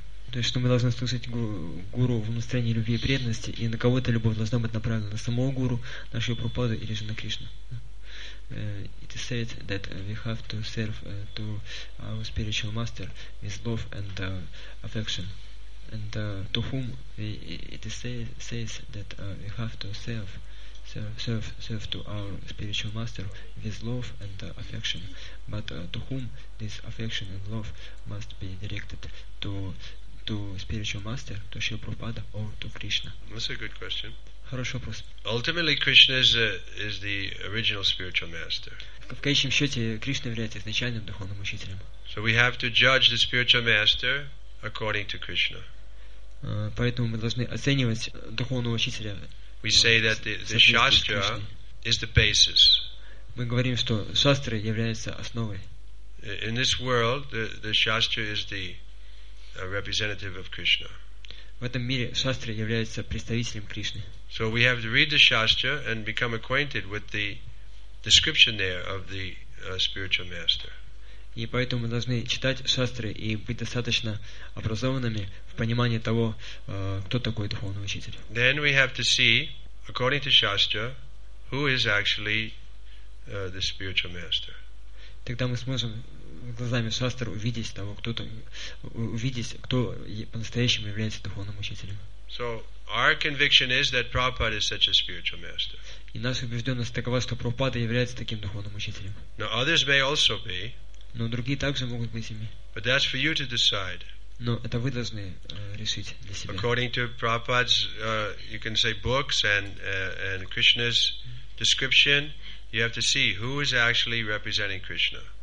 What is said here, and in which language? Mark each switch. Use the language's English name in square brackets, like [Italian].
[Russian] То есть, что мы должны слушать гуру в настроении любви и преданности, и на кого эта любовь должна быть направлена? На самого гуру, на Шрипрупаду или же на Кришну? [English] It is said that we have to serve to our spiritual master with love and affection. And to whom it is says that we have to serve to our spiritual master with love and affection. But to whom this affection and love must be directed? To spiritual master, to Srila Prabhupada, or to Krishna? That's a good question. [Russian] Хороший вопрос. [English] Ultimately, Krishna is the original spiritual master. [Russian] В конечном счете, Кришна является изначальным духовным учителем. [English] So we have to judge the spiritual master according to Krishna. [Russian] Поэтому мы должны оценивать духовного учителя. [English] We say that the shastra is the basis. [Russian] Мы говорим, что шастра является основой. [English] In this world, the shastra is the a representative of Krishna. [Russian] В этом мире шастра является представителем Кришны. [English] So we have to read the shastra and become acquainted with the description there of the spiritual master. [Russian] И поэтому мы должны читать шастры и быть достаточно образованными в понимании того, кто такой духовный учитель. [English] Then we have to see, according to shastra, who is actually the spiritual master. [Russian] Тогда мы сможем глазами шастры увидеть, кто по-настоящему является духовным учителем. [English] So our conviction is that Prabhupada is such a spiritual master. [Russian] И наша убежденность такова, что Прабхупада является таким духовным учителем. [English] Now others may also be. [Russian] Но другие также могут быть ими. [English] But that's for you to decide. [Russian] Но это вы должны решить для себя. [English] According to Prabhupada's, you can say books and Krishna's description, you have to see who is actually representing Krishna.